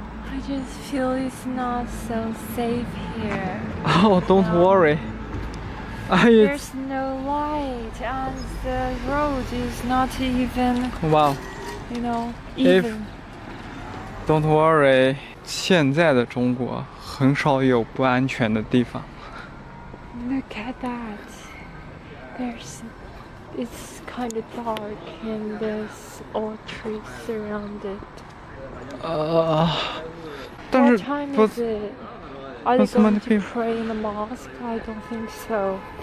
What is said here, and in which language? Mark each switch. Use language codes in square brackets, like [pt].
[en] I just feel it's not so safe here. Oh, don't worry. There's no light and the road is not even. Wow. You know, if. Don't worry. [zh] 现在的中国很少有不安全的地方。 [en] Look at that. There's. It's kind of dark and there's all trees surrounded. What time is it? Are you going to pray in the mosque? I don't think so.